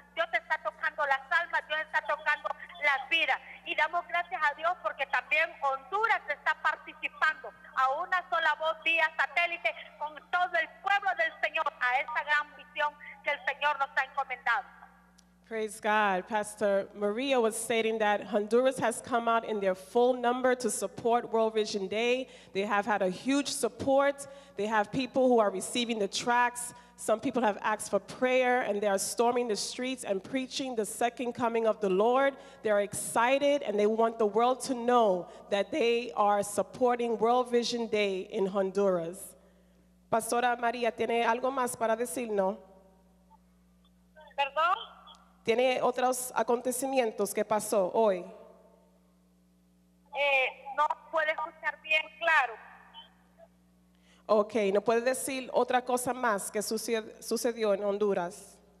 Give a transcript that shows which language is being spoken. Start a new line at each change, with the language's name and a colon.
Spanish: Dios está tocando las almas, Dios está tocando las vidas. Y damos gracias a Dios porque también Honduras está participando a una sola voz vía satélite con todo el pueblo del Señor a esta gran visión que el Señor nos ha encomendado.
English: Praise God. Pastor Maria was stating that Honduras has come out in their full number to support World Vision Day. They have had a huge support. They have people who are receiving the tracts. Some people have asked for prayer, and they are storming the streets and preaching the second coming of the Lord. They are excited, and they want the world to know that they are supporting World Vision Day in Honduras.
Spanish: Pastora Maria, ¿tiene algo más para decir, no? Perdón. ¿Tiene otros acontecimientos que pasó hoy? No puede escuchar bien, claro. Ok, ¿no puede decir otra cosa más que sucedió en Honduras?